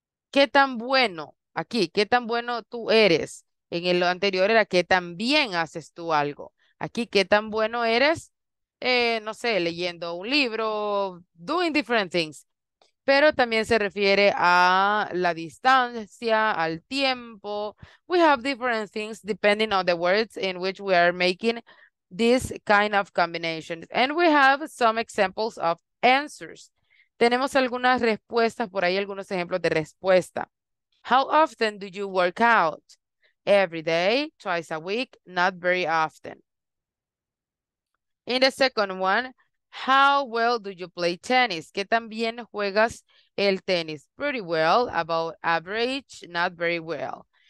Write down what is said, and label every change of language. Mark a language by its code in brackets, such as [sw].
[es] ¿Qué tan bueno? Aquí, ¿qué tan bueno tú eres? En el anterior era, ¿qué tan bien haces tú algo? Aquí, ¿qué tan bueno eres? No sé, leyendo un libro, [en] doing different things. [es] Pero también se refiere a la distancia, al tiempo. [en] We have different things depending on the words in which we are making this kind of combinations. And we have some examples of answers. [es] Tenemos algunas respuestas, por ahí algunos ejemplos de respuesta. [en] How often do you work out? Every day, twice a week, not very often. In the second one, how well do you play tennis? [es] ¿Qué tan bien juegas el tenis? [en] Pretty well, about average, not very well.